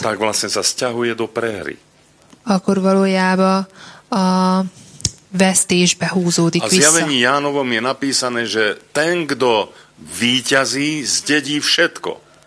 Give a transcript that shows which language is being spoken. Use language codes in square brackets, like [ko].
[sk] Tak vlastne sa sťahuje do prehry. [hu] Akkor valójában a vesztésbe húzódik vissza. [sk] A zjavení Jánovom je napísané, že ten, kto víťazí, zdedí všetko.